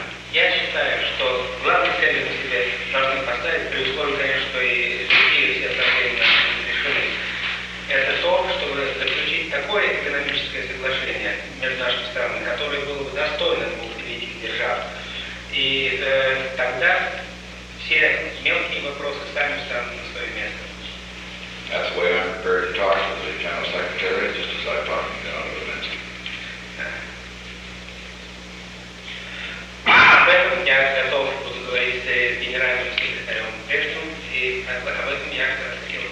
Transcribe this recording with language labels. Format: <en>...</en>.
<ru>Я считаю, что главной целью мы себе должны поставить, при условии, конечно, что и другие все проблемы решены, это то, чтобы заключить такое экономическое соглашение между нашими странами, которое было бы достойно двух великих держав. И тогда все мелкие вопросы сами встанут на свое место.</ru> <en>That's the way I'm prepared to talk to the General Secretary, just as I'm talking to General Minsky.</en> <ru>Об этом я готов буду говорить с генеральным секретарем Бештум, и об этом я хотел</ru>